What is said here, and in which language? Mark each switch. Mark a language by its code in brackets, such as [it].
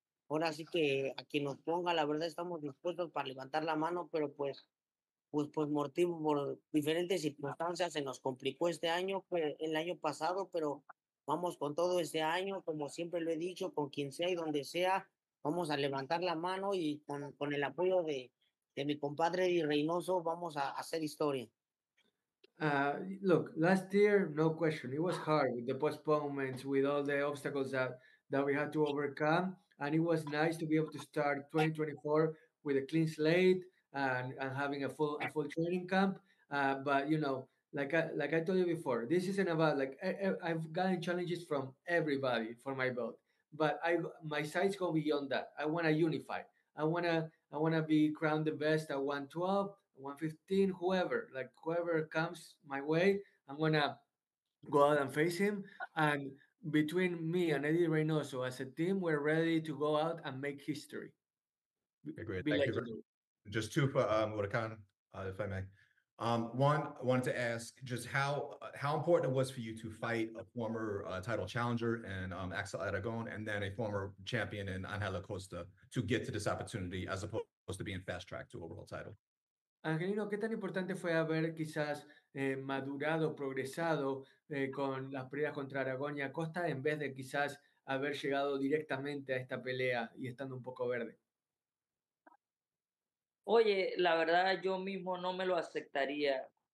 [es] Ahora sí que a quien nos ponga, la verdad estamos dispuestos para levantar la mano, pero pues motivo por diferentes circunstancias se nos complicó este año, el año pasado, pero vamos con todo este año, como siempre lo he dicho, con quien sea y donde sea, vamos a levantar la mano y con el apoyo de mi compadre Eddie Reynoso vamos a hacer historia. [en] Look, last year, no question, it was hard with the postponements, with all the obstacles that we had to overcome, and it was nice to be able to start 2024 with a clean slate and having a full training camp. But you know, like I told you before, this isn't about like I've gotten challenges from everybody for my belt, but my sights go beyond that. I want to unify. I wanna be crowned the best at 112. 115, whoever comes my way, I'm gonna go out and face him. And between me and Eddie Reynoso as a team, we're ready to go out and make history. Agreed. Thank you. Just two for Huracan, if I may. One, I wanted to ask just how important it was for you to fight a former title challenger and Axel Aragon, and then a former champion in Angel Acosta to get to this opportunity as opposed to being fast tracked to a world title. [es] Angelino, ¿qué tan importante fue haber quizás madurado, progresado con las peleas contra Aragón y Acosta en vez de quizás haber llegado directamente a esta pelea y estando un poco verde? Oye, la verdad yo mismo no me lo aceptaría.